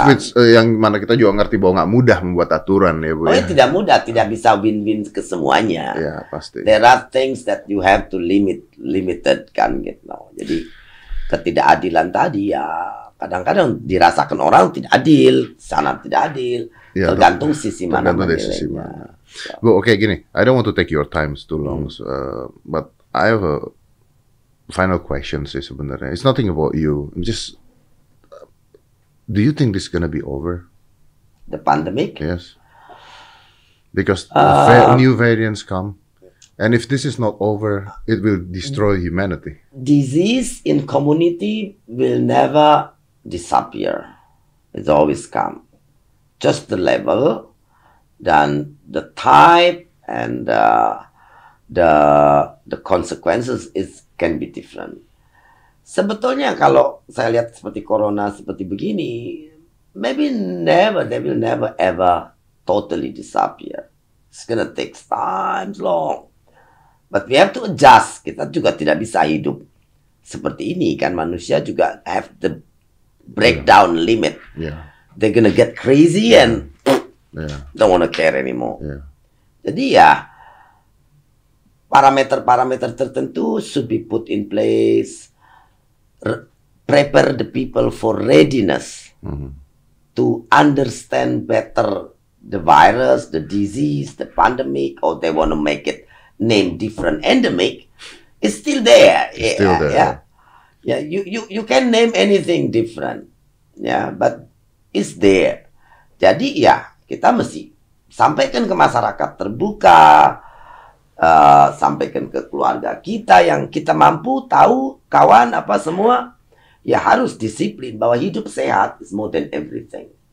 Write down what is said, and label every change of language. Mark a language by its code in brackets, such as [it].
[id] Which, yang mana kita juga ngerti bahwa nggak mudah membuat aturan ya Bu. Oh, ya, tidak mudah, tidak bisa win-win ke semuanya. Iya, pasti. [en] There are things that you have to limited [id] kan gitu. Jadi ketidakadilan tadi ya kadang-kadang dirasakan orang tidak adil, sangat tidak adil. Ya, tergantung sisi mana menilainya. Bu, okay, gini, [en] I don't want to take your time too long, but I have a final question [id] sih sebenarnya. [en] It's nothing about you. I'm just, do you think this is gonna be over? The pandemic? Yes. Because new variants come, and if this is not over, it will destroy humanity. Disease in community will never disappear. It's always come. Just the level, then the type, and the consequences is can be different. [id] Sebetulnya kalau saya lihat seperti corona seperti begini, [en] maybe never, they will never ever totally disappear. It's gonna take times long. But we have to adjust. [id] Kita juga tidak bisa hidup seperti ini kan. Manusia juga [en] have the breakdown limit. Yeah. They're gonna get crazy and don't wanna care anymore. Yeah. [id] Jadi ya, parameter-parameter tertentu [en] should be put in place, prepare the people for readiness to understand better the virus, the disease, the pandemic, or they want to make it name different endemic, it's still there. It's still there. You can name anything different, but it's there. [id] Jadi ya, kita mesti sampaikan ke masyarakat terbuka, sampaikan ke keluarga kita yang kita mampu, tahu, kawan apa semua, ya harus disiplin bahwa hidup sehat [en] is more than everything.